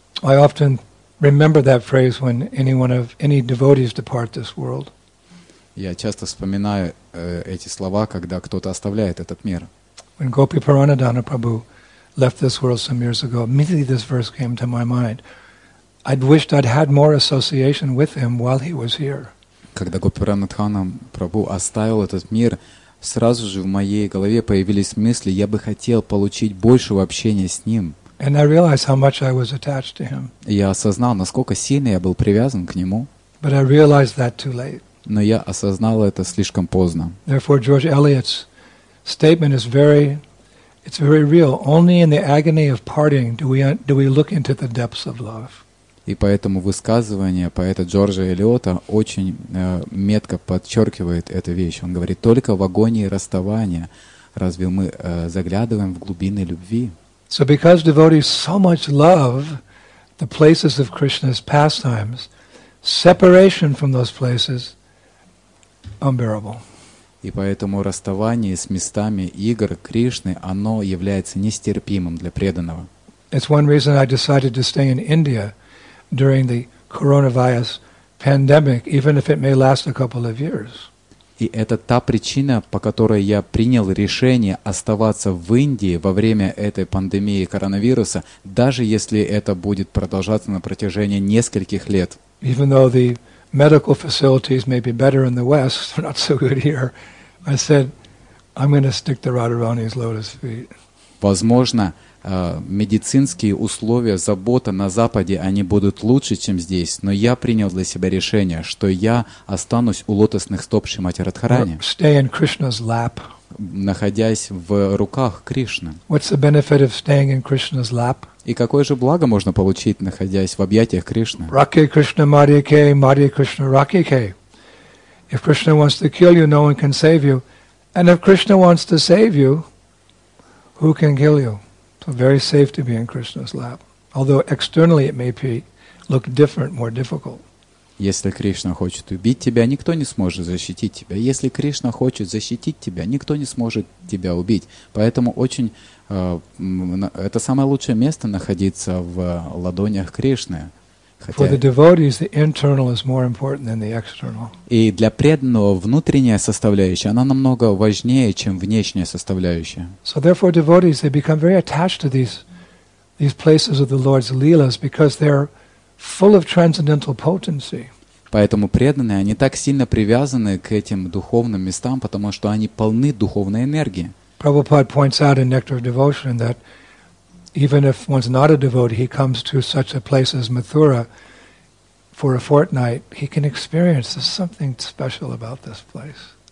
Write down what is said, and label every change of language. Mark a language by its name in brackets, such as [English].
[English] I often remember that phrase when any devotees depart this world. [Russian] Я часто вспоминаю эти слова, когда кто-то оставляет этот мир. [English] When Gopi Puranadana Prabhu left this world some years ago, immediately this verse came to my mind. I'd wished I'd had more association with him while he was here. [Russian] Когда Гопи Ранадхана Прабху оставил этот мир, сразу же в моей голове появились мысли, я бы хотел получить больше общения с ним. [English] And I realized how much I was attached to him. [Russian] Я осознал, насколько сильно я был привязан к нему. [English] But I realized that too late. [Russian] Но я осознал это слишком поздно. [English] Therefore, George Eliot's statement is very, it's very real. Only in the agony of parting do we look into the depths of love. [Russian] И поэтому высказывание поэта Джорджа Элиота очень метко подчеркивает эту вещь. Он говорит, только в агонии расставания разве мы заглядываем в глубины любви? [English] So because devotees so much love the places of Krishna's pastimes, separation from those places unbearable. [Russian] И поэтому расставание с местами игр Кришны, оно является нестерпимым для преданного. [English] It's one reason I decided to stay in India during the coronavirus pandemic, even if it may last a couple of years. [Russian] И это та причина, по которой я принял решение оставаться в Индии во время этой пандемии коронавируса, даже если это будет продолжаться на протяжении нескольких лет. [English] Even though the medical facilities may be better in the West, they're not so good here. I said, I'm going to stick to Radharani's lotus feet. [Russian] Возможно, медицинские условия, забота на Западе, они будут лучше, чем здесь, но я принял для себя решение, что я останусь у лотосных стоп Шримати Радхарани, [English] stay in Krishna's lap. [Russian] Находясь в руках Кришны. [English] What's the benefit of staying in Krishna's lap? [Russian] И какое же благо можно получить, находясь в объятиях Кришны? [Bangla] Раке Кришна Марьяке, Марья Кришна Ракеке. [English] If Krishna wants to kill you, no one can save you. And if Krishna wants to save you, who can kill you? So very safe to be in Krishna's lap. Although externally it may look different, more difficult. [Russian] Если Кришна хочет убить тебя, никто не сможет защитить тебя. Если Кришна хочет защитить тебя, никто не сможет тебя убить. Поэтому очень это самое лучшее место находиться в ладонях Кришны. Хотя... [English] For the devotees, the internal is more important than the external. [Russian] И для преданного внутренняя составляющая, она намного важнее, чем внешняя составляющая. [English] So therefore devotees, they become very attached to these places of the Lord's leelas because they're full of transcendental potency. [Russian] Поэтому преданные, они так сильно привязаны к этим духовным местам, потому что они полны духовной энергии. [English] Prabhupada points out in Nectar of Devotion that even if one's not a devotee, he comes to such a place as Mathura for a fortnight, he can experience there's something special about this place.